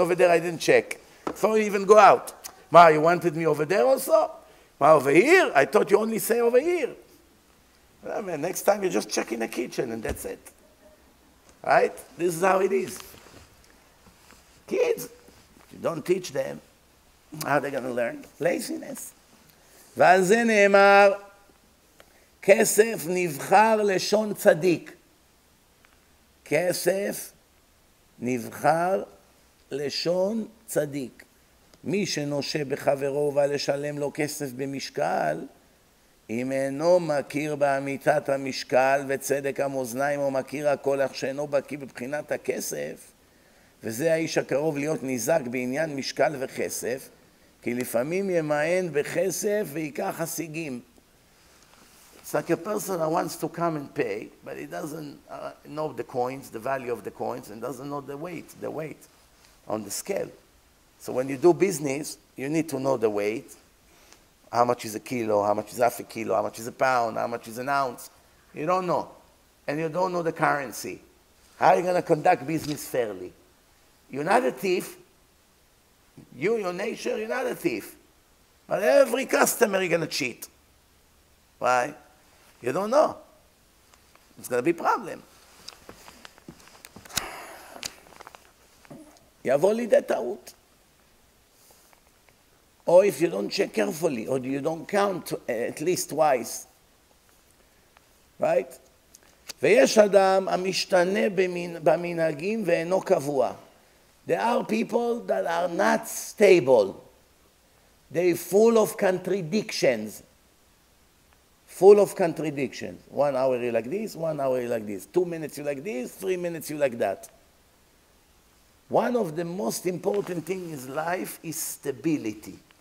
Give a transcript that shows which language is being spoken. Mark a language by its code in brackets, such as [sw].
[en] Over there, I didn't check. Before you even go out. Ma, you wanted me over there also? Ma, over here? I thought you only say over here. Well, man, next time, you just check in the kitchen and that's it. Right? This is how it is. Kids, if you don't teach them, how are they going to learn? Laziness. [he] ועל זה נאמר, כסף נבחר לשון צדיק. כסף נבחר לשון צדיק. מי שנושה בחברו ובא לשלם לו כסף במשקל, אם אינו מכיר באמיתת המשקל וצדק המאזניים, או מכיר הכל אך שאינו בקיא בבחינת הכסף, וזה האיש הקרוב להיות נזק בעניין משקל וכסף, כי לפעמים ימען בכסף ויקח השיגים. [en] It's like a person that wants to come and pay, but he doesn't know the coins, the value of the coins, and doesn't know the weight on the scale. So when you do business, you need to know the weight. How much is a kilo, how much is half a kilo, how much is a pound, how much is an ounce. You don't know. And you don't know the currency. How are you going to conduct business fairly? You're not a thief. You, your nature, you're not a thief. But every customer is going to cheat. Why? You don't know. It's going to be a problem. You have only that out. Or if you don't check carefully, or you don't count at least twice. Right? [he] ויש אדם המשתנה במנהגים ואינו קבוע. [en] There are people that are not stable. They're full of contradictions. Full of contradictions. 1 hour you like this, 1 hour you like this. 2 minutes you like this, 3 minutes you like that. One of the most important things in life is stability.